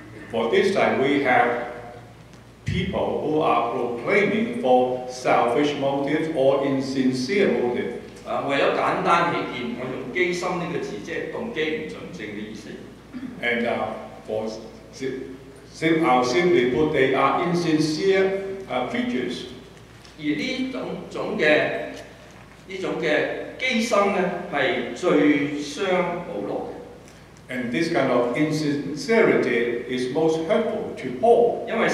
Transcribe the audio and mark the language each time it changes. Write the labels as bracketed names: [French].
[English] For this time, we have people who are proclaiming for selfish motive or insincere motive. [Cantonese] 為了簡單起見，我用機心呢個字，即係動機唔純正嘅意思。 [English] And for simply put, they are insincere preachers. [Cantonese] 而呢種嘅機心咧，係最傷保羅嘅。 [English] And this kind of insincerity is most hurtful to Paul.